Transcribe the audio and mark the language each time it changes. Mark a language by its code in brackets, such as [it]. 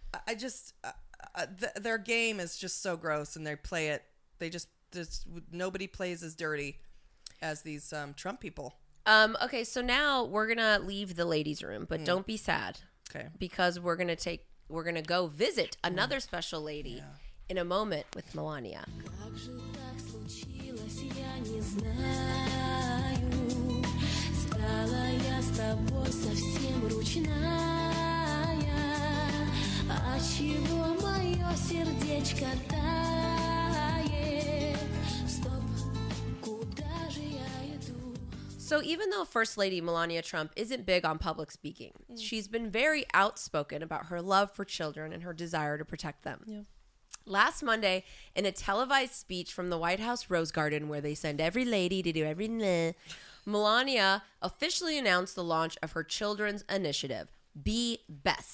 [en] I just, their game is just so gross, and they play it. They just, nobody plays as dirty as these Trump people. Okay, so now we're going to leave the ladies' room, but don't be sad. Okay. Because we're going to go visit another special lady. Yeah. In a moment with Melania. [ru] Как же так случилось, я не знаю. Стала я с тобой совсем ручная. А чего мое сердечко тает? Стоп, куда же я иду? [en] So even though First Lady Melania Trump isn't big on public speaking, she's been very outspoken about her love for children and her desire to protect them. Yeah. Last Monday, in a televised speech from the White House Rose Garden, where they send every lady to do every Melania officially announced the launch of her children's initiative, Be Best.